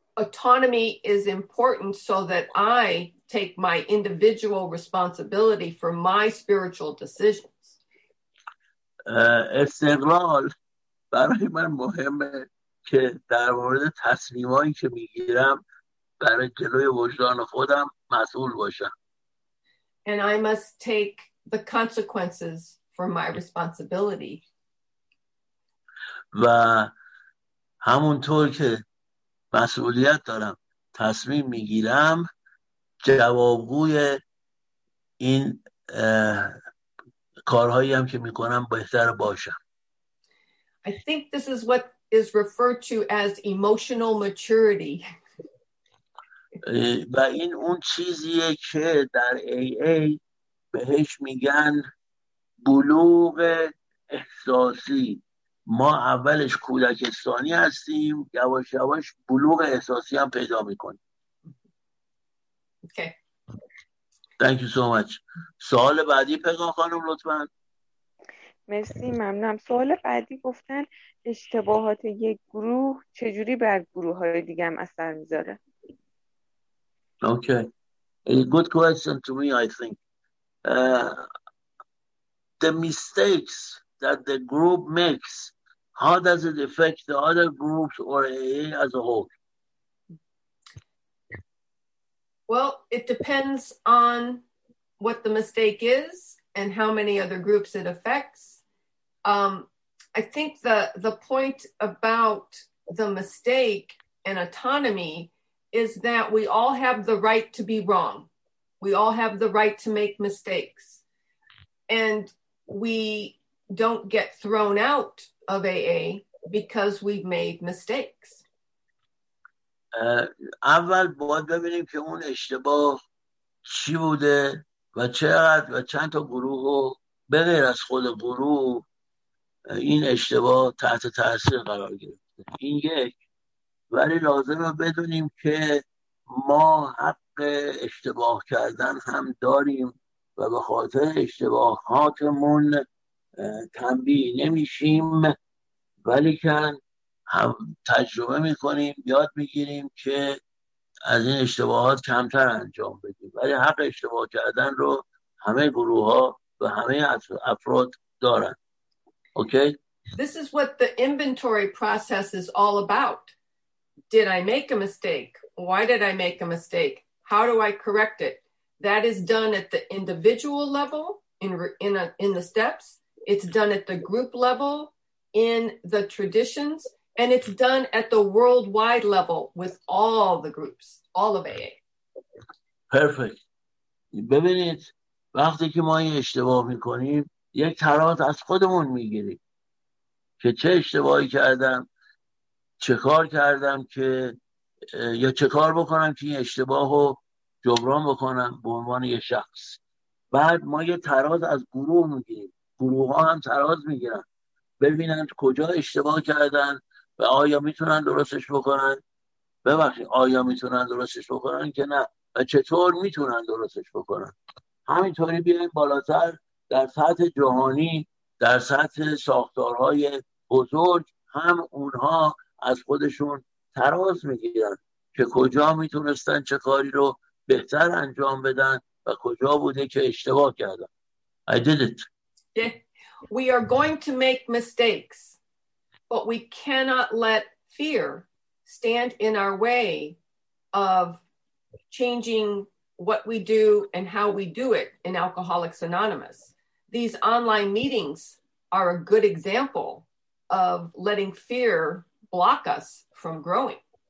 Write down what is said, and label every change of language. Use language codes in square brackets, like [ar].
[en] Autonomy is important so that I take my individual responsibility for my spiritual decisions. [fa] استقلال برای من مهمه که در مورد تصمیمایی که میگیرم برای جلوی وجدان خودم مسئول باشم. [en] And I must take the consequences for my responsibility. [fa] و همونطور که مسئولیت دارم تصمیم میگیرم، جوابگوی این کارهایی هم که میکنم بهتر باشم. [en] I think this is what is referred to as emotional maturity. [fa] و این اون چیزیه که در AA بهش میگن بلوغ احساسی. ما اولش کودکستانی هستیم، یواش یواش بلوغ احساسی هم پیدا میکنیم. [en] Okay. Thank you so much. [fa] سوال بعدی پگاه خانم لطفاً. مرسی، ممنونم. سوال بعدی گفتن اشتباهات یک گروه چجوری بر گروه های دیگه هم اثر میذاره؟ [en] Okay. A good question to me, I think. The mistakes that the group makes, how does it affect the other groups or AA as a whole? Well, it depends on what the mistake is and how many other groups it affects. I think the point about the mistake and autonomy is that we all have the right to be wrong. We all have the right to make mistakes. And we don't get thrown out of AA because we've made mistakes. [fa] اول باید ببینیم که اون اشتباه چی بوده و چقدر و چند تا گروه رو به غیر از خود گروه این اشتباه تحت تاثیر قرار گرفته. این یک. ولی لازمه بدونیم که ما حق اشتباه کردن هم داریم و به خاطر اشتباه هاتمون تنبیه نمیشیم، ولی که هم تجربه میکنیم، یاد میگیریم که از این اشتباهات کمتر انجام بدیم. ولی حق اشتباه کردن رو همه گروه ها و همه افراد دارن. [en] Okay? This is what the inventory process is all about. Did I make a mistake? Why did I make a mistake? How do I correct it? That is done at the individual level in the steps. It's done at the group level in the traditions. And it's done at the worldwide level with all the groups, all of AA. Perfect. [fa] ببینید، وقتی که ما این اشتباه میکنیم، یک تراز از خودمون میگیریم که چه اشتباهی کردم، چه کار کردم که یا چه کار بکنم که این اشتباه رو جبران بکنم به عنوان یه شخص. بعد ما یه تراز از گروه میگیریم، گروه ها هم تراز میگیرن ببینن کجا اشتباه کردن و آیا میتونن درستش بکنن. ببخشید، آیا میتونن درستش بکنن که نه، و چطور میتونن درستش بکنن. همینطوری بیاییم بالاتر در سطح جهانی، در سطح ساختارهای بزرگ هم اونها از خودشون تراز میگیرن که کجا میتونستن چه کاری رو بهتر انجام بدن و کجا بوده که اشتباه کردن. [en] I did it. Yeah. We are going to make mistakes, but we cannot let fear stand in our way of changing what we do and how we do it in Alcoholics Anonymous. These online meetings are a good example of letting fear block us from growing.